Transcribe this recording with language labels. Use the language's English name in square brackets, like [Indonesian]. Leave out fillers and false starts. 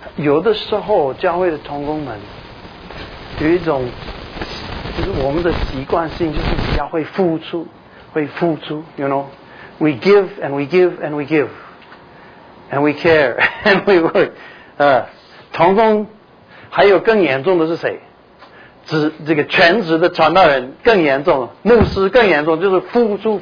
[Chinese] 有的时候教会的同工们有一种，就是我们的习惯性就是比较会付出 ，you know。 [English] We give and we give and we give, and we care and we work. [Chinese] 同工还有更严重的是谁？这个全职的传道人更严重，牧师更严重，就是付出。